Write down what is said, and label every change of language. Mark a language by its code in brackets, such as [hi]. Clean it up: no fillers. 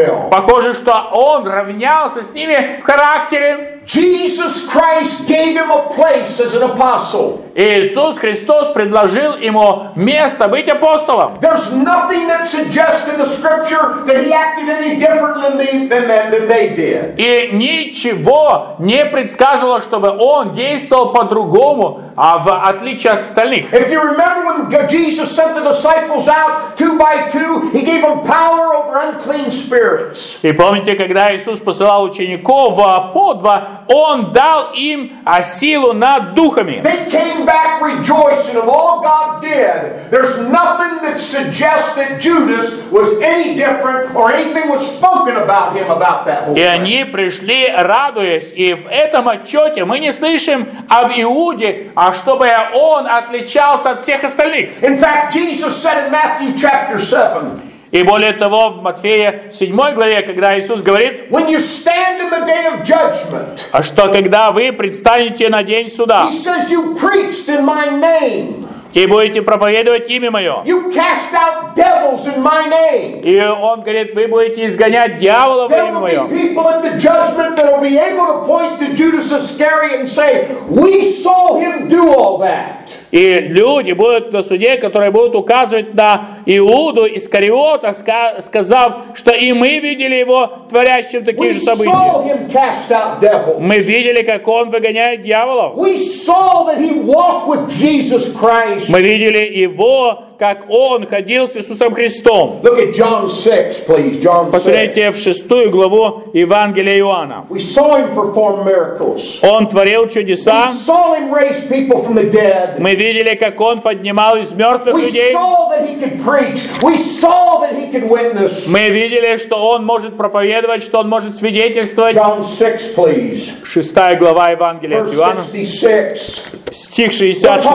[ru] Похоже, что он равнялся с ними в характере. [en] Jesus Christ gave him a place as an apostle. [ru] Иисус Христос предложил ему место быть апостолом. [en] There's nothing that suggests in the scripture that he acted any differently than they did. [ru] И ничего не предсказывало, чтобы он действовал по-другому, а в отличие от остальных. [en] If you remember when Jesus sent the disciples out two by two, he gave them power over unclean spirits. [ru] И помните, когда Иисус посылал учеников по два, он дал им силу над духами. [en] They came back rejoicing of all God did. There's nothing that suggests that Judas was any different or anything was spoken about him about that whole thing. [ru] И они пришли радуясь, и в этом отчете мы не слышим об Иуде, а чтобы он отличался от всех остальных. [en] In fact, Jesus said in Matthew chapter 7, [ru] и более того, в Матфея 7 главе, когда Иисус говорит, [en] when you stand in the day of judgment, [ru] а что, когда вы предстанете на день суда, [en] he says you preached in my name, [ru] и будете проповедовать имя Мое, [en] you cast out devils in my name, [ru] и Он говорит, вы будете изгонять дьявола во имя Мое, [en] there will be people at the judgment that will be able to point to Judas Iscariot and say, we saw him do all that. [ru] И люди будут на суде, которые будут указывать на Иуду Искариота, сказав, что и мы видели его творящим такие же события. Мы видели, как он выгоняет дьяволов. Мы видели его, как он ходил с Иисусом Христом. [en] Look at John 6, please. John 6. [ru] Посмотрите в 6 главу Евангелия Иоанна. [en] We saw him perform miracles. [ru] Он творил чудеса. [en] We saw him raise people from the dead. [ru] Мы видели, как он поднимал из мертвых людей. [en] We saw that he could preach. We saw that he could witness. [ru] Мы видели, что он может проповедовать, что он может свидетельствовать. [en] John 6, please. [ru] 6 глава Евангелия от Иоанна. Стих 66.